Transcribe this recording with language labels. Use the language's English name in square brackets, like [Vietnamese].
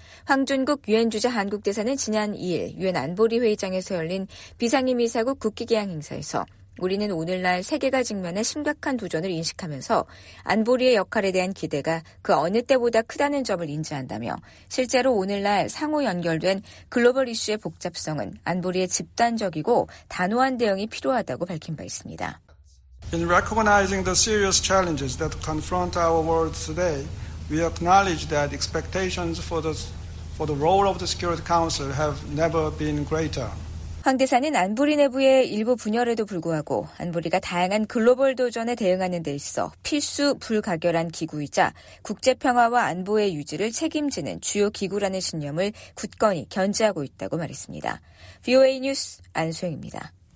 [Korean] 황준국 유엔 주재 한국 대사는 지난 2일 유엔 안보리 회의장에서 열린 비상임이사국 국기 개양 행사에서 우리는 오늘날 세계가 직면한 심각한 도전을 인식하면서 안보리의 역할에 대한 기대가 그 어느 때보다 크다는 점을 인지한다며 실제로 오늘날 상호 연결된 글로벌 이슈의 복잡성은 안보리의 집단적이고 단호한 대응이 필요하다고 밝힌 바 있습니다. [English] In recognizing the serious challenges that confront our world today, we acknowledge that expectations for the role of the Security Council have never been greater. [Korean] 황 대사는 안보리 내부의 일부 분열에도 불구하고 안보리가 다양한 글로벌 도전에 대응하는 데 있어 필수 불가결한 기구이자 국제평화와 안보의 유지를 책임지는 주요 기구라는 신념을 굳건히 견지하고 있다고 말했습니다. VOA 뉴스 안수영입니다.